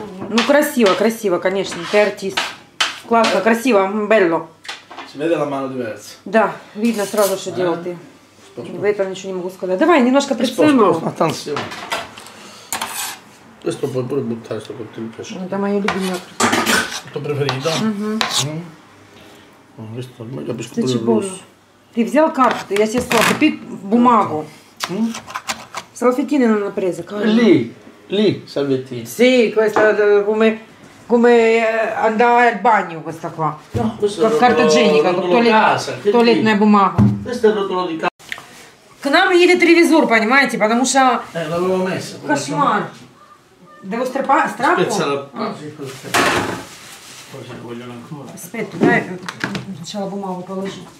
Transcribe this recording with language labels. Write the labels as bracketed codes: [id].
[ru] Ну, красиво, красиво, конечно. Ты артист. Классно, красиво, [it] bello. Si vede la mano diversa. [ru] Да, видно сразу, что делал ты. В этом ничего не могу сказать. Давай, немножко прицелу. [it] Attenzione. Questo puoi pure buttare, sto cotto, mi piace. [ru] Это моё любимое. Это preferito. Угу. [it] Questo, ma capisco pure il rosso. [ru] Ты взял карты, я тебе сказал, купи бумагу. Салфетины надо напрезать, как? Ли, ли, салфетины. [it] Sì, questa, come... Come andare al bagno questa qua. No, questa carta igienica, [ru] туалетная бумага. [it] Questo è rotolo di casa. [ru] К нам едет телевизор, понимаете, потому что... [it] L'avevo messa. [ru] Кошмар. [it] Devo strappare, strappo? Spezza la... Poi se vogliono ancora. Aspetta, dai, c'è la [ru] бумага, положи.